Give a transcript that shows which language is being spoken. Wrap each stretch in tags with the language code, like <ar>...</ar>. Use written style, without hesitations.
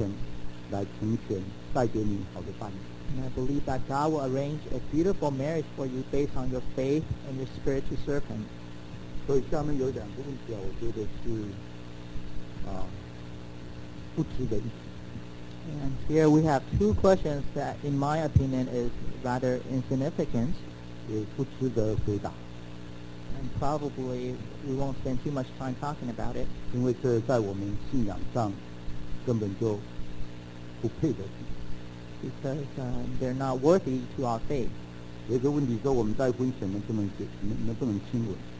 <zh>然后神啊,一定会照你的信心,你对他的虔诚来成全,</zh> <en>and I believe that God will arrange a beautiful marriage for you based on your faith and your spirit to serve Him.</en> <zh>所以下面有两个问题啊,我觉得是,不值得一起。</zh> <en>And here we have two questions that, in my opinion, is rather insignificant.</en> <zh>也不值得回答.</zh> <en>And probably we won't spend too much time talking about it.</en> <zh>因为这在我们信仰上根本就不配得起.</zh> <en>Because they're not worthy to our faith.</en> <zh>有一个问题说我们在婚前能不能亲吻?</zh>